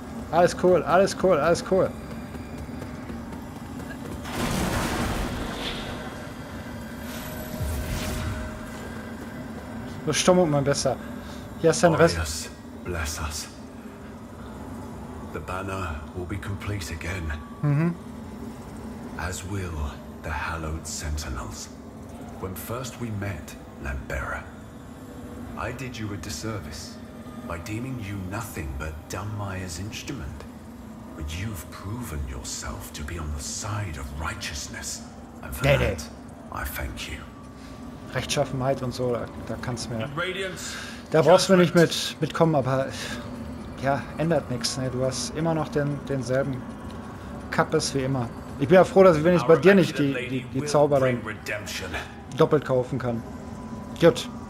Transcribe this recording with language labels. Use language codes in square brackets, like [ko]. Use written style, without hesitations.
[de] Alles cool, alles cool, alles cool. Verstummung, mein Besser. Hier ist dein Rest. [en] Warriors, bless us. The banner will be complete again. Mhm. As will the hallowed sentinels. When first we met, Lambera, I did you a disservice by deeming you nothing but Dunmire's instrument. But you've proven yourself to be on the side of righteousness. And for that, I thank you. [de] Rechtschaffenheit und so, da kannst du mir... Da brauchst du mir nicht mitkommen, aber... Ja, ändert nichts. Ne? Du hast immer noch denselben Kappes wie immer. Ich bin ja froh, dass ich wenigstens bei dir nicht die Zauber dann doppelt kaufen kann. Gut.